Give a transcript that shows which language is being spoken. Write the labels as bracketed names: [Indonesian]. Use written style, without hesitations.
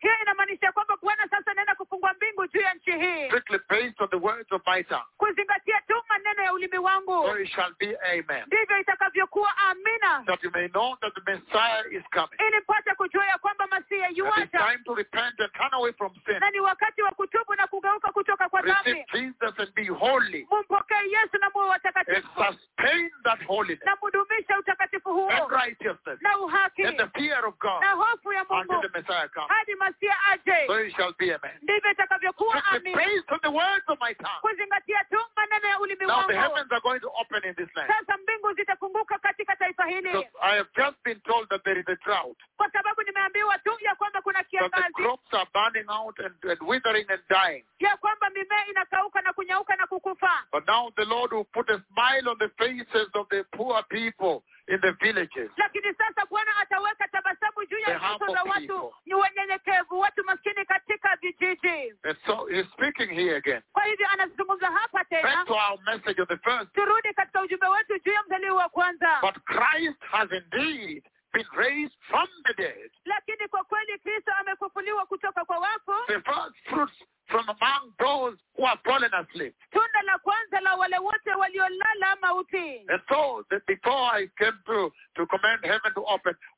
[Swahili] Hii inamaanisha kwamba Bwana sasa anaenda kufungua mbingu juu ya nchi hii. [English] Strictly based on the words of my tongue. [Swahili] Kuzingatia tu maneno ya ulimi wangu. [English] So it shall be. Amen. [Swahili] Ndivyo itakavyokuwa, amina. [English] That you may know that the Messiah is coming. [Swahili] Ili mpate kujua ya kwamba Masiya yuaja. [English] It's time to repent and turn away from sin. [Swahili] Na ni wakati wa kutubu na kugeuka kutoka kwa dhambi. [English] Receive Jesus and be holy. [Swahili] Mumpokee Yesu na mwe watakatifu. [English] And sustain that holiness. [Swahili] Na mudumisha utakatifu huo. [English] And righteousness. [Swahili] Na uhaki. [English] And the fear of God. [Swahili] Na hofu ya Mungu. [English] Until the Messiah comes. [Swahili] Hadi Masiya aje. [English] So it shall be, amen. [Swahili] Ndivyo itakavyokuwa, amina. [English] Praise to the words of my tongue. [Swahili] Kuzingatia tu maneno ya ulimi wangu. [English] Now the heavens are going to open in this land. [Swahili] Sasa mbingu zitafunguka katika taifa hili. [English] Because I have just been told that there is a drought. [Swahili] Kwa sababu nimeambiwa tu ya kwamba kuna kiangazi. [English] That the crops are burning out and withering and dying. [Swahili] Ya kwamba mimea inakauka na kunyauka na kukufa. [English] But now the Lord will put a smile on the faces of the poor people in the villages. [Swahili] Lakini sasa Bwana ataweka tabasamu juu ya uso za watu ni wanyenyekevu, watu maskini katika vijiji. [English] And so he's speaking here again. [Swahili] Kwa hivyo anazungumza hapa tena. [English] Back to our message of the first. [Swahili] Turudi katika ujumbe wetu juu ya mzaliwa wa kwanza. [English] But Christ has indeed been raised from the dead. [Swahili] Lakini kwa kweli Kristo amefufuliwa kutoka kwa wafu. [English] The first fruits from among those who have fallen asleep. [Swahili] Tunda la kwanza la wale wote waliolala mauti. [English] And so, before I came to command heaven to open,